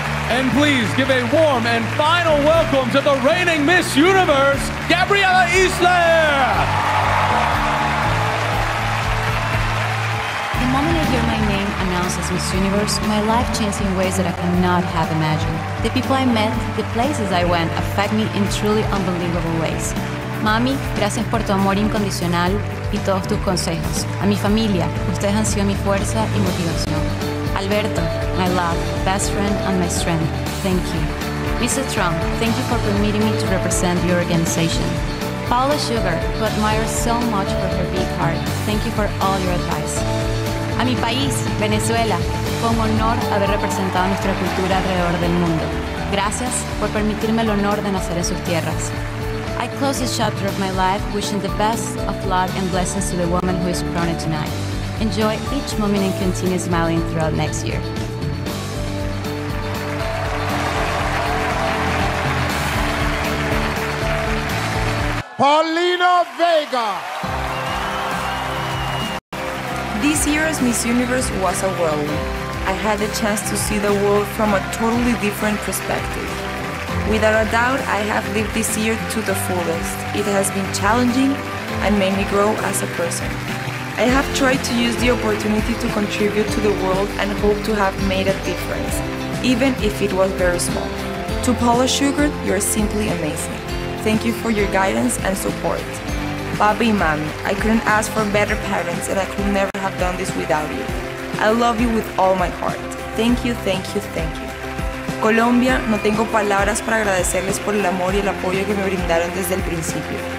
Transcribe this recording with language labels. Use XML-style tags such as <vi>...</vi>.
<en>And please give a warm and final welcome to the reigning Miss Universe, Gabriella Isler! The moment I hear my name announced as Miss Universe, my life changed in ways that I cannot have imagined. The people I met, the places I went, affect me in truly unbelievable ways.</en> <es>Mami, gracias por tu amor incondicional y todos tus consejos. A mi familia, ustedes han sido mi fuerza y motivación.</es> <en>Alberto, my love, best friend and my strength, thank you. Mr. Trump, thank you for permitting me to represent your organization. Paula Sugar, who admire so much for her big heart, thank you for all your advice.</en> <es>A mi país, Venezuela, fue un honor haber representado nuestra cultura alrededor del mundo. Gracias por permitirme el honor de nacer en sus tierras.</es> <en>I close this chapter of my life wishing the best of luck and blessings to the woman who is crowned tonight. Enjoy each moment and continue smiling throughout next year. Paulina Vega. This year's Miss Universe was a whirlwind. I had the chance to see the world from a totally different perspective. Without a doubt, I have lived this year to the fullest. It has been challenging and made me grow as a person. I have tried to use the opportunity to contribute to the world and hope to have made a difference, even if it was very small. To Paula Sugar, you're simply amazing. Thank you for your guidance and support. Papi and Mami, I couldn't ask for better parents and I could never have done this without you. I love you with all my heart. Thank you, thank you, thank you.</en> <es>Colombia, no tengo palabras para agradecerles por el amor y el apoyo que me brindaron desde el principio.</es>